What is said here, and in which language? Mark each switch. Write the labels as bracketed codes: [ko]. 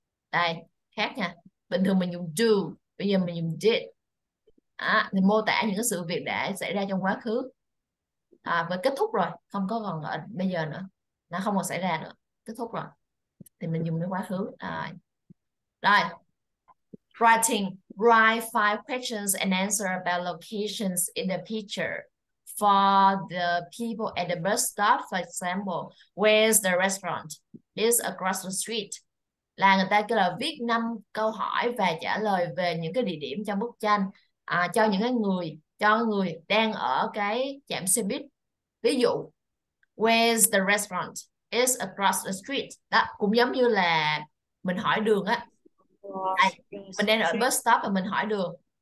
[vi] Đây, khác nha. Bình thường mình dùng do, bây giờ mình dùng did. À, thì mô tả những cái sự việc đã xảy ra trong quá khứ. À, và kết thúc rồi, không có còn ở bây giờ nữa. Nó không còn xảy ra nữa, kết thúc rồi. Thì mình dùng đến quá khứ. Rồi. Rồi. Writing. [en] Write five questions and answer about locations in the picture. For the people at the bus stop, for example, where's the restaurant? It's across the street. [vi] Là người ta kêu là viết 5 câu hỏi và trả lời về những cái địa điểm trong bức tranh cho những cái người, cho người đang ở cái trạm xe buýt. Ví dụ, [en] where's the restaurant? It's across the street. [vi] Đó, cũng giống như là mình hỏi đường á. Đây, mình đang ở bus stop và mình hỏi đường.